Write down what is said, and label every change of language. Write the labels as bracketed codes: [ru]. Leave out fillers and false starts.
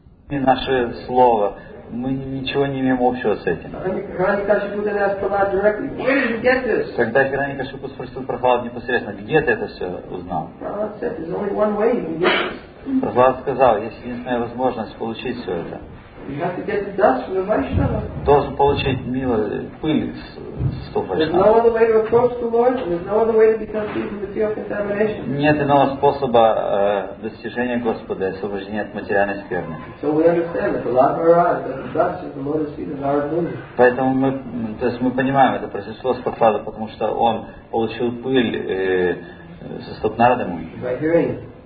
[ru] И наше слово, мы ничего не имеем общего с этим. [en] Rani Kashyapu then asked Prahlad directly, "Where did you get this?" [ru] Когда Rani Kashyapu спросил Прахлада непосредственно, где ты это все узнал? [en] Prahlad said, "There's only one way you can get this." [ru] Прахлад сказал, есть единственная возможность получить все это. [en] You have to get the dust from the Vaishnava. There's no other way to approach the Lord, and there's no other way to become free from material contamination. [ru] Нет иного способа достижения Господа, освобождения от материальной скверны. [en] So we understand that the Lord Maharaj, that the dust is the lotus feet of Narada. [ru] Поэтому мы, то есть мы понимаем это произошло с Прахлада, потому что он получил пыль со стоп Нарады Муни.